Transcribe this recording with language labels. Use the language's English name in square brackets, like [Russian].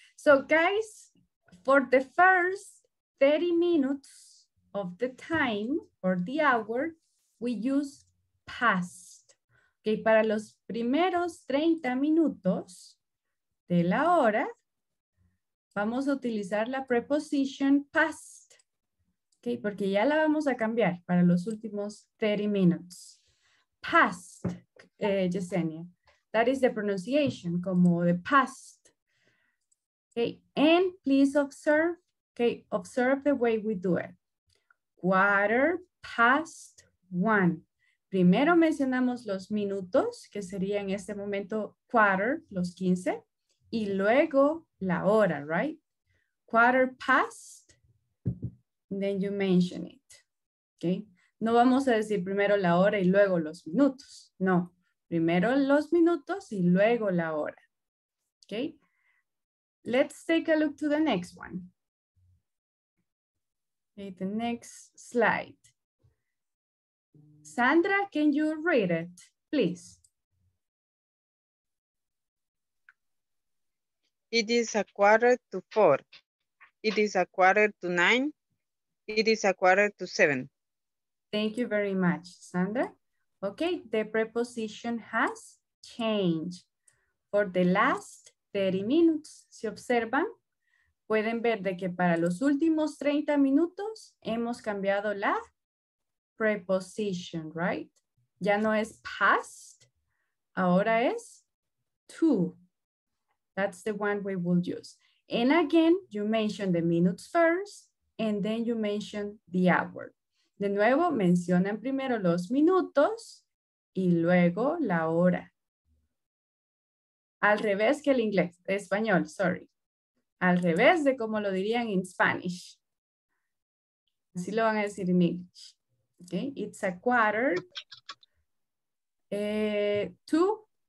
[English] So, guys, for the first 30 minutes of the time or the hour, we use past. [Spanish] Okay, para los primeros 30 minutos de la hora, vamos a utilizar la preposición past. Okay, porque ya la vamos a cambiar para los últimos 30 minutes. [English] Past, Yesenia. That is the pronunciation, como the past. Okay, and please observe, okay, observe the way we do it. Quarter past one. [Spanish] Primero mencionamos los minutos, que sería en este momento quarter, los 15, y luego la hora, right? [English] Quarter past, then you mention it. [Spanish] Okay, no vamos a decir primero la hora y luego los minutos, no. Primero los minutos y luego la hora. Okay. [English] Let's take a look to the next one. Okay, the next slide. Sandra, can you read it, please? It is a quarter to four. It is a quarter to nine. It is a quarter to seven. Thank you very much, Sandra. Okay, the preposition has changed for the last 30 minutes. [Spanish] Si observan, pueden ver de que para los últimos 30 minutos hemos cambiado la preposition, right? Ya no es past, ahora es to. [English] That's the one we will use. And again, you mention the minutes first and then you mention the hour. [Spanish] De nuevo, mencionan primero los minutos y luego la hora. Al revés que el inglés, español, sorry. Al revés de como lo dirían en Spanish. Así lo van a decir en English. Okay, [English] it's a quarter to.